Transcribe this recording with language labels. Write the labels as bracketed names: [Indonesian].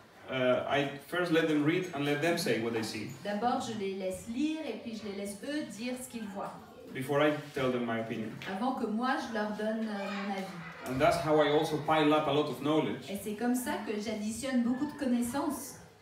[English] I first let them read and let them say what they see. [French] D'abord, je les laisse lire et puis je les laisse eux dire ce qu'ils voient. [English] Before I tell them my opinion. [French] Avant que moi je leur donne mon avis. [English] And that's how I also pile up a lot of knowledge. [French] Et c'est comme ça que j'additionne beaucoup de connaissances.